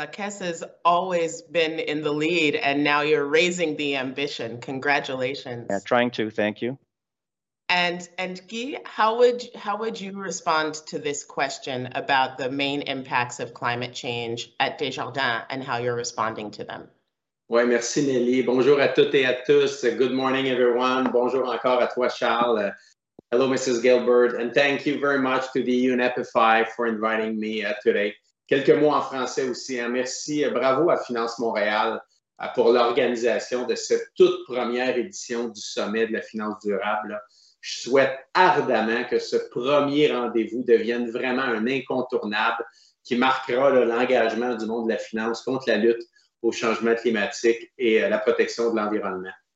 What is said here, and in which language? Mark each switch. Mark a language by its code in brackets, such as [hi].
[en] La Caisse has always been in the lead, and now you're raising the ambition. Congratulations. Yeah, trying to, thank you. And Guy, how would you respond to this question about the main impacts of climate change at Desjardins and how you're responding to them? [fr] Oui, merci Nelly. Bonjour à toutes et à tous. [en] Good morning, everyone. [fr] Bonjour encore à toi, Charles. [en] Hello, Mrs. Gilbert. And thank you very much to the UNEPIFI for inviting me today. [fr] Quelques mots en français aussi. Hein. Merci et bravo à Finance Montréal pour l'organisation de cette toute première édition du Sommet de la Finance durable. Je souhaite ardemment que ce premier rendez-vous devienne vraiment un incontournable qui marquera l'engagement du monde de la finance contre la lutte au changement climatique et la protection de l'environnement.